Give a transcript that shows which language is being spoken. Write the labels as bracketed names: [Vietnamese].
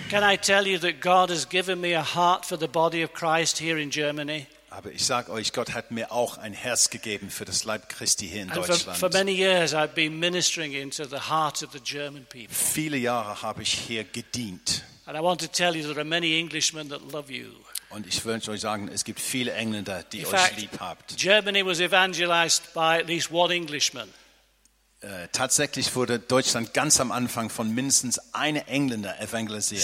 [English] Can I tell you that God has given me a heart for the body of Christ here in Germany? [German] Aber ich sage euch, Gott hat mir auch ein Herz gegeben für das Leib Christi hier in Deutschland. [English] For many years I've been ministering into the heart of the German people. [German] Viele Jahre habe ich hier gedient. [English] And I want to tell you there are many Englishmen that love you. [German] Und ich will euch sagen, es gibt viele Engländer, die [English] in fact, [German] euch lieb habt. [English] Germany was evangelized by at least one Englishman. [German] Tatsächlich wurde Deutschland ganz am Anfang von mindestens einem Engländer evangelisiert.